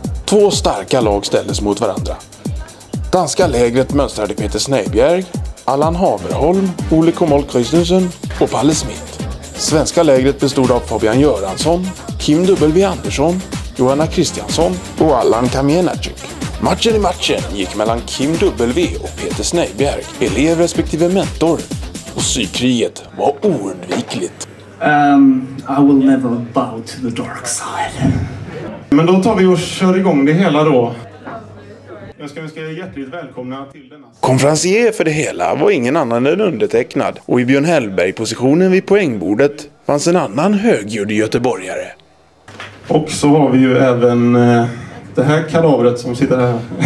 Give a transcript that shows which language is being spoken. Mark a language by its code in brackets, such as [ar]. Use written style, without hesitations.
[sv] Två starka lag ställdes mot varandra. Danska lägret mönstrade Peter Snejbjerg, Allan Haverholm, Ole Komol Christensen och Palle Smith. Svenska lägret bestod av Fabian Göransson, Kim W. Andersson, Johanna Kristiansson och Allan Kamienacik. Matchen i matchen gick mellan Kim W. och Peter Snejbjerg, elev respektive mentor. Och sykriget var oundvikligt. [en] I will never bow to the dark side. [sv] Men då tar vi och kör igång det hela då. Jag ska hjärtligt välkomna till denna... Konferencier för det hela var ingen annan än undertecknad. Och i Björn Hellberg-positionen vid poängbordet fanns en annan högljudd göteborgare. Och så har vi ju även det här kadavret som sitter här.